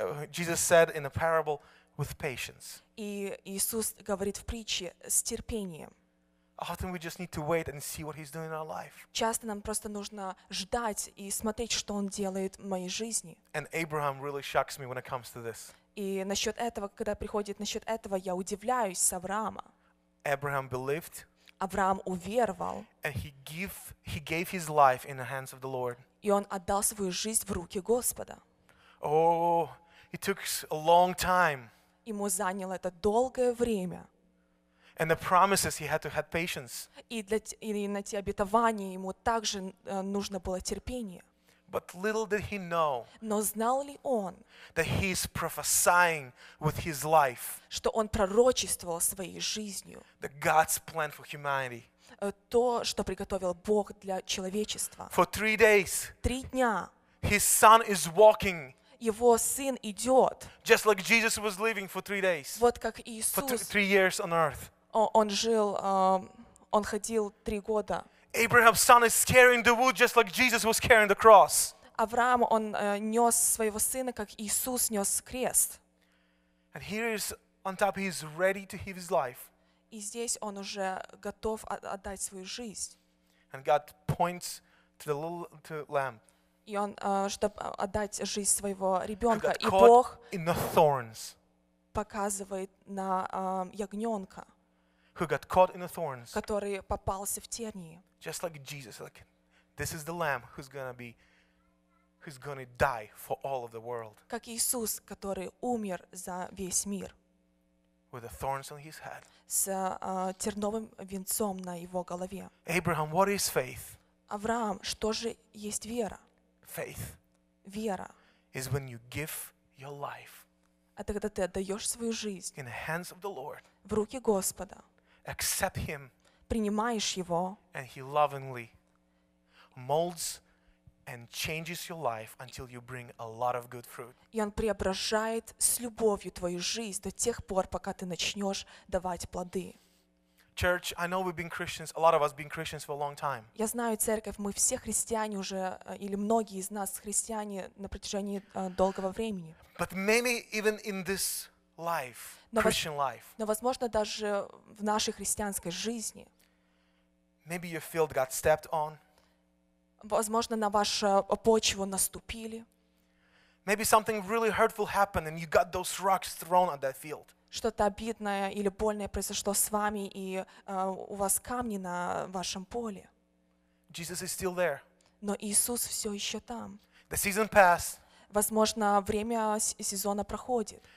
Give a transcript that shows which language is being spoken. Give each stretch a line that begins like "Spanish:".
English: Jesus said in a parable with patience.
Russian: И Иисус говорит в притче с терпением.
English: Often we just need to wait and see what he's doing in our life.
Russian: Часто нам просто нужно ждать и смотреть, что он делает в моей жизни.
English: And Abraham really shocks me when it comes to this.
Russian: И насчет этого, когда приходит насчет этого, я удивляюсь с Авраама.
English: Abraham believed.
Russian: Авраам уверовал.
English: And he gave his life in the hands of the Lord.
Russian: И он отдал свою жизнь в руки Господа.
English: Oh, it took a long time.
Russian: Ему заняло это долгое время.
English: And the promises, he had to have patience.
Russian: И на те обетования ему также нужно было терпение.
English: But little did he know.
Russian: Но знал ли он?
English: That he is prophesying with his life.
Russian: Что он пророчествовал своей жизнью.
English: That God's plan for humanity.
Russian: То, что приготовил Бог для человечества.
English: For 3 days.
Russian: 3 дня.
English: His son is walking.
Russian: Его сын идет.
English: Just like Jesus was living for 3 days.
Russian: Вот как Иисус.
English: For 3 years on earth.
Russian: Он жил, он ходил 3 года.
English: Abraham's son is carrying the wood just like Jesus was carrying the cross.
Russian: Авраам, он нес своего сына, как Иисус нес крест.
English: And here is on top, he is ready to give his life.
Russian: И здесь он уже готов отдать свою жизнь.
English: And God points to the little lamb.
Russian: И он, чтобы отдать жизнь своего ребенка. И Бог
English: in the thorns.
Russian: Показывает на ягненка.
English: Who got caught in the thorns.
Russian: Который попался в тернии.
English: Just like Jesus, like this is the lamb who's gonna die for all of the world.
Russian: Как Иисус, который умер за весь мир.
English: With the thorns on his head.
Russian: С терновым венцом на его голове.
English: Abraham, what is faith?
Russian: Авраам, что же есть вера?
English: Faith.
Russian: Вера.
English: Is when you give your life.
Russian: Это когда ты отдаешь свою жизнь.
English: In the hands of the Lord.
Russian: В руки Господа.
English: Accept him.
Russian: Принимаешь его.
English: And he lovingly molds and changes your life until you bring a lot of good fruit.
Russian: И он преображает с любовью твою жизнь до тех пор, пока ты начнешь давать плоды.
English: Church, I know we've been Christians, a lot of us been Christians for a long time.
Russian: Я знаю церковь, мы все христиане уже или многие из нас христиане на протяжении долгого времени.
English: But many even in this life, Christian life.
Russian: Но возможно даже в нашей христианской жизни.
English: Maybe your field got stepped on.
Russian: Возможно, на вашу почву наступили.
English: Maybe something really hurtful happened and you got those rocks thrown at that field.
Russian: Что-то обидное или больное произошло с вами, и у вас камни на вашем поле.
English: Jesus is still there.
Russian: Но Иисус все еще там.
English: The season passed.
Russian: Возможно, время сезона проходит.